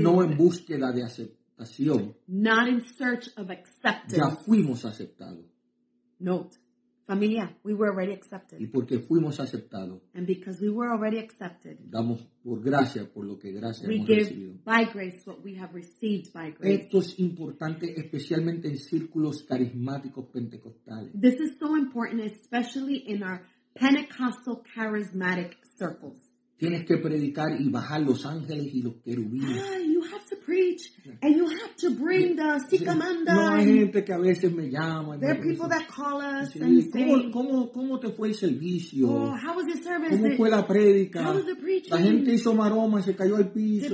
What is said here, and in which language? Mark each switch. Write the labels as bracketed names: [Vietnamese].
[Spanish] No en búsqueda de aceptación. [English] Not in search of acceptance. [Spanish] Ya fuimos aceptados. [English] Note. Familia, we were already accepted. [Spanish] Y porque fuimos aceptados. [English] And because we were already accepted. [Spanish] Damos por gracia por lo que gracia hemos recibido. [English] We give by grace what we have received by grace. [Spanish] Esto es importante especialmente en círculos carismáticos pentecostales. [English] This is so important especially in our Pentecostal charismatic circles. [Spanish] Tienes que predicar y bajar los ángeles y los querubines. [English] You have to preach and you have to bring the sicamanda. [Spanish] No hay gente que a veces me llama. [English] There are people that call us and say, [Spanish] ¿Cómo te fue el servicio? [English] Oh, how was the service? [Spanish] ¿Cómo fue la prédica? [English] How was the preaching? [Spanish] La gente hizo maroma, se cayó al piso.